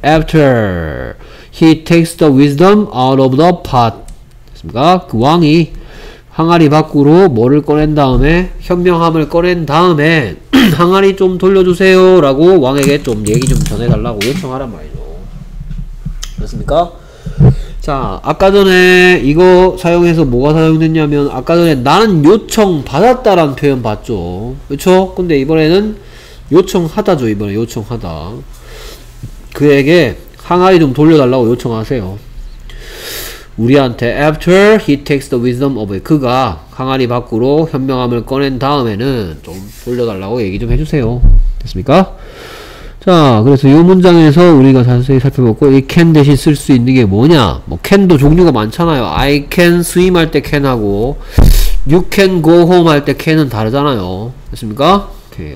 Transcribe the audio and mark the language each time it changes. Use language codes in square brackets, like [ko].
[en] After he takes the wisdom out of the pot. [ko] 됐습니까? 그 왕이 항아리 밖으로 뭐를 꺼낸 다음에 현명함을 꺼낸 다음에 항아리 좀 돌려주세요. 라고 왕에게 좀 얘기 좀 전해달라고 요청하란 말이죠. 그렇습니까? 자, 아까 전에 이거 사용해서 뭐가 사용됐냐면 아까 전에 나는 요청 받았다라는 표현 봤죠. 그렇죠? 근데 이번에는 요청하다죠. 이번에 요청하다. 그에게 항아리 좀 돌려달라고 요청하세요. 우리한테 [en] after he takes the wisdom of it. [ko] 그가 항아리 밖으로 현명함을 꺼낸 다음에는 좀 돌려달라고 얘기 좀 해주세요. 됐습니까? 자, 그래서 이 문장에서 우리가 자세히 살펴봤고 이 can 대신 쓸 수 있는 게 뭐냐? 뭐 can도 종류가 많잖아요. [en] I can swim [ko] 할 때 can 하고 [en] you can go home [ko] 할 때 can은 다르잖아요. 됐습니까? 오케이.